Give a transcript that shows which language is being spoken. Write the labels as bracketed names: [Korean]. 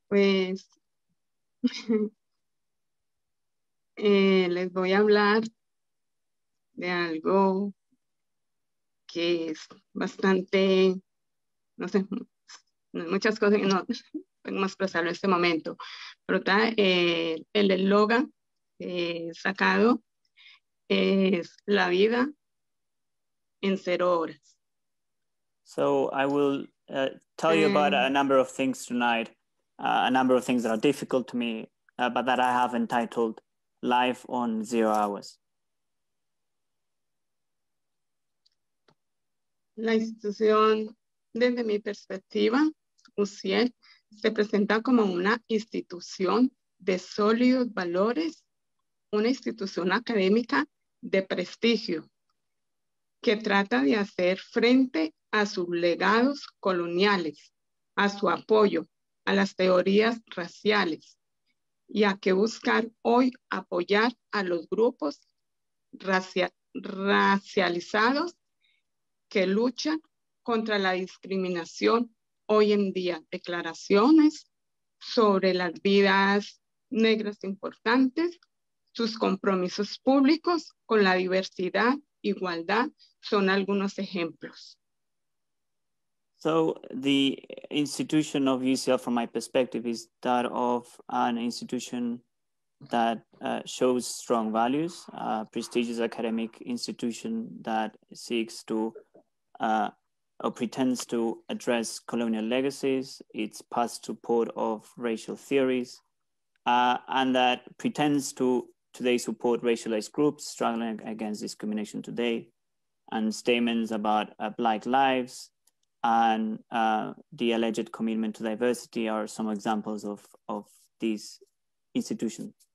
[Spanish] Pues, les voy a hablar de algo que es bastante, no sé, muchas cosas que no tengo más expresarlo en este momento, pero está el eslogan sacado es la vida en cero horas. [English] So I will tell you about a number of things tonight, a number of things that are difficult to me, but that I have entitled Life on 0 hours. [Spanish] La institución, desde mi perspectiva, UCL, se presenta como una institución de sólidos valores, una institución académica de prestigio, que trata de hacer frente a sus legados coloniales, a su apoyo, a las teorías raciales, y a que buscar hoy apoyar a los grupos racializados que lucha contra la discriminación hoy en día. Declaraciones sobre las vidas negras importantes, sus compromisos públicos con la diversidad, igualdad, son algunos ejemplos. [English] So the institution of UCL, from my perspective, is that of an institution that shows strong values, a prestigious academic institution that seeks to or pretends to address colonial legacies, its past support of racial theories, and that pretends to today support racialized groups struggling against discrimination today, and statements about Black lives and the alleged commitment to diversity are some examples of these institutions.